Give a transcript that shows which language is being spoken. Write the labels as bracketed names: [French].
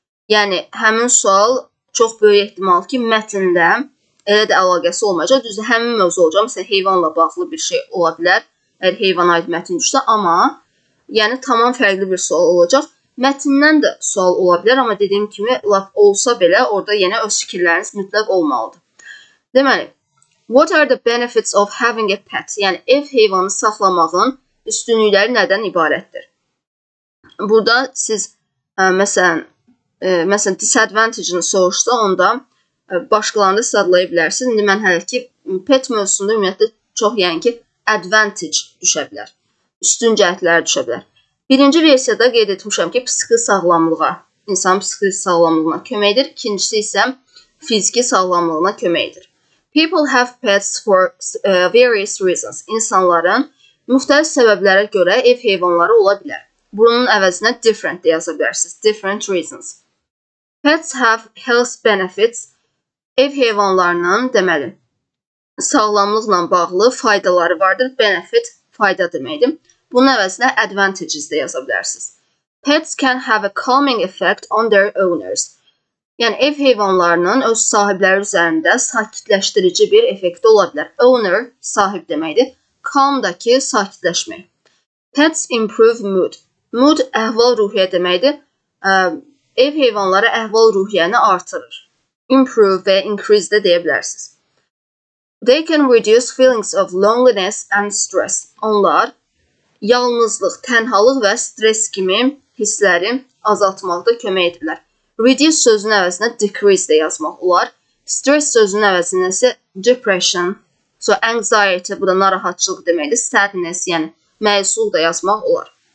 [Azerbaijani] Yəni, həmin sual çox böyük ehtimal ki, mətində elə də əlaqəsi olmayacaq. Düzdür, həmin mövzu olacaq. Məsələn, heyvanla bağlı bir şey ola bilər, əgər heyvana aid mətin düşsə. Amma, yəni, tamam fərqli bir sual olacaq. Mətindən də sual ola bilər, amma dediyim kimi, laf olsa belə orada yenə öz fikirləriniz mütləq olmalıdır. [English] Deməli, what are the benefits of having a pet? [Azerbaijani] Yəni, ev heyvanı saxlamağın üstünlükləri nədən ibarətdir? Burada siz, məsələn, disadvantage-ni soruşsa, onda başqalarını sadlaya bilərsiniz. İndi mən hələ ki, pet mövzusunda ümumiyyətlə çox yəni ki, advantage düşə bilər, üstün cəhətlər düşə bilər. Birinci versiyada qeyd etmişəm ki, psixi sağlamlığa, insanın psixi sağlamlığına köməkdir. İkincisi isə fiziki sağlamlığına köməkdir. [English] People have pets for various reasons. [Azerbaijani] İnsanların müxtəlif səbəblərə görə ev heyvanları ola bilər. Bunun əvəzinə different deyə yaza bilərsiniz. [English] Different reasons. Pets have health benefits. [Azerbaijani] Ev heyvanlarının, deməli, sağlamlıqla bağlı faydaları vardır. Benefit, fayda deməkdir. Bunun əvəzinə advantages də yaza bilərsiniz. [English] Pets can have a calming effect on their owners. [Azerbaijani] Yəni, ev heyvanlarının öz sahibləri üzərində sakitləşdirici bir effekti ola bilər. Owner, sahib deməkdir. Calm-dakı sakitləşmək. [English] Pets improve mood. Mood, əhval ruhiyyə deməkdir. [Azerbaijani] Ev heyvanları əhval ruhiyyəni artırır. Improve və increase də deyə bilərsiniz. [English] They can reduce feelings of loneliness and stress. [Azerbaijani] Onlar yalnızlıq, tənhalıq və stres kimi hissləri azaltmaqda kömək edirlər. Reduce sözünün əvəzində decrease də yazmaq olar. Stress sözünün əvəzində isə depression, so anxiety, bu da narahatçılıq deməkdir, sadness, yəni məyusluq da yazmaq olar.